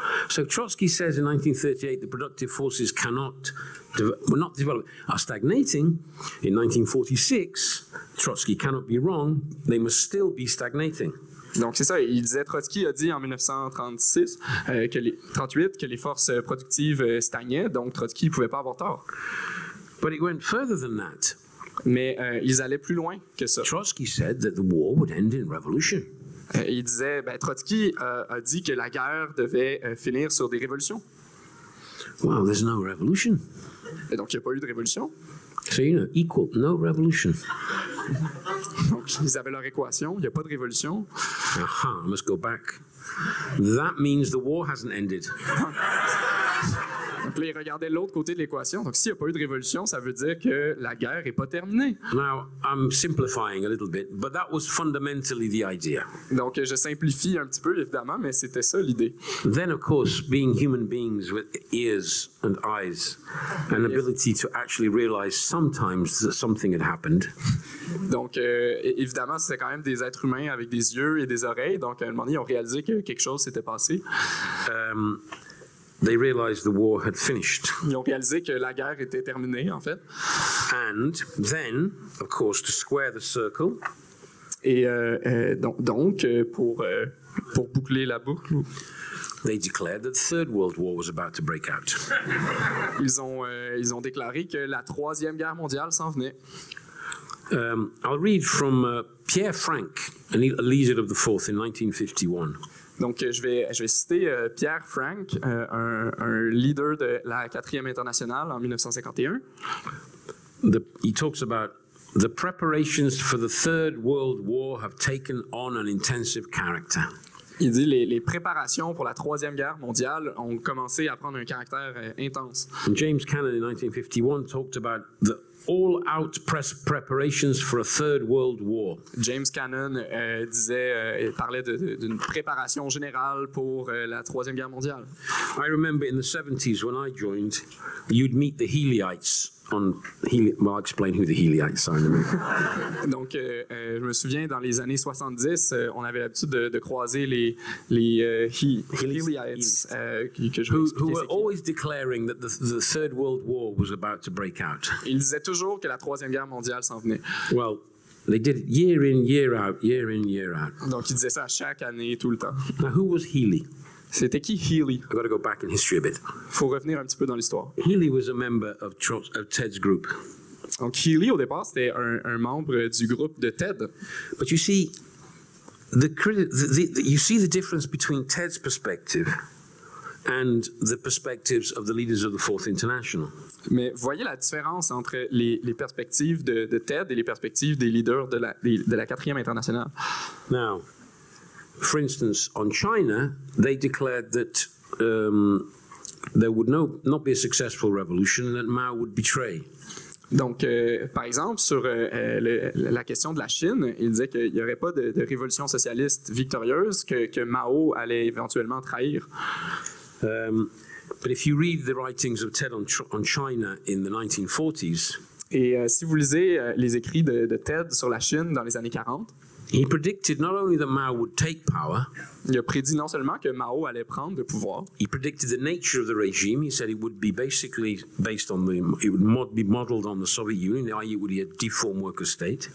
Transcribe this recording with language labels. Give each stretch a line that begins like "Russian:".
English: So Trotsky says in 1938 the productive forces are stagnating. In 1946, Trotsky cannot be wrong, they must still be stagnating.
French: Donc c'est ça, il disait, Trotsky a dit en 1938 que les forces productives stagnaient, donc Trotsky ne pouvait pas avoir tort.
English: But it went further than that.
French: Mais ils allaient plus loin que ça.
English: Trotsky said that the war would end in revolution.
French: Il disait, ben, Trotsky a dit que la guerre devait finir sur des révolutions.
English: Well, there's no revolution.
French: Et donc, il n'y a pas eu de révolution.
English: So, you know, equal, no revolution.
French: Donc, ils avaient leur équation, il n'y a pas de révolution.
English: Aha, I must go back. That means the war hasn't ended.
French: Donc là, ils regardaient l'autre côté de l'équation. Donc, s'il n'y a pas eu de révolution, ça veut dire que la guerre n'est pas terminée.
English: Now, I'm simplifying a little bit, but that was fundamentally the idea.
French: Donc, je simplifie un petit peu, évidemment, mais c'était ça l'idée.
English: Then, of course, being human beings with ears and eyes, an ability to actually realize sometimes that something had happened.
French: Donc, évidemment, c'était quand même des êtres humains avec des yeux et des oreilles. Donc, à un moment donné, ils ont réalisé que quelque chose s'était passé.
English: They realized the war had finished.
French: Ils ont réalisé que la guerre était terminée, en fait.
English: And then, of course, to square the circle.
French: Et pour boucler la boucle.
English: They declared that the Third World War was about to break out.
French: ils ont déclaré que la Troisième Guerre mondiale s'en venait.
English: I'll read from Pierre Frank, a leader of the Fourth, in 1951.
French: Donc, je vais citer Pierre Frank, un leader de la 4e internationale en 1951.
English: He talks about the preparations for the Third World War have taken on an intensive character.
French: Il dit les préparations pour la Troisième Guerre mondiale ont commencé à prendre un caractère intense.
English: And James Cannon in 1951 talked about the all-out press preparations for a Third World War.
French: James Cannon parlait d'une préparation générale pour la Troisième Guerre mondiale.
English: I remember in the 70s when I joined, you'd meet the Healyites. I'll explain who the Healyites are in a minute.
French: Donc, je me souviens, dans les années 70, on avait l'habitude de croiser les Healyites.
English: Who were always declaring that the Third World War was about to break out.
French: Ils disaient toujours que la Troisième Guerre mondiale s'en venait.
English: Well, they did it year in, year out, year in, year out.
French: Donc, ils disaient ça chaque année, tout le temps.
English: Now, who was Healy?
French: C'était qui Healy?
English: I've got to go back in history a bit.
French: Faut revenir un petit peu dans l'histoire.
English: Healy was a member of Ted's group.
French: Donc Healy au départ c'était un membre du groupe de Ted.
English: But you see, you see the difference between Ted's perspective and the perspectives of the leaders of the Fourth International.
French: Mais voyez la différence entre les perspectives de Ted et les perspectives des leaders de la 4e internationale.
English: Now. For instance, on China, they declared that there would not be a successful revolution and that Mao would betray.
French: Donc, par exemple, sur la question de la Chine, il disait qu'il n'y aurait pas de révolution socialiste victorieuse, que Mao allait éventuellement trahir.
English: But if you read the writings of Ted on China in the 1940s,
French: et si vous lisez les écrits de Ted sur la Chine dans les années 40,
English: He predicted not only that Mao would take power,
French: il a prédit non seulement que Mao allait prendre le pouvoir.
English: He predicted the nature of the regime. He said it would be basically based on the, it would be modeled on the Soviet Union. The idea would be a deformed worker state.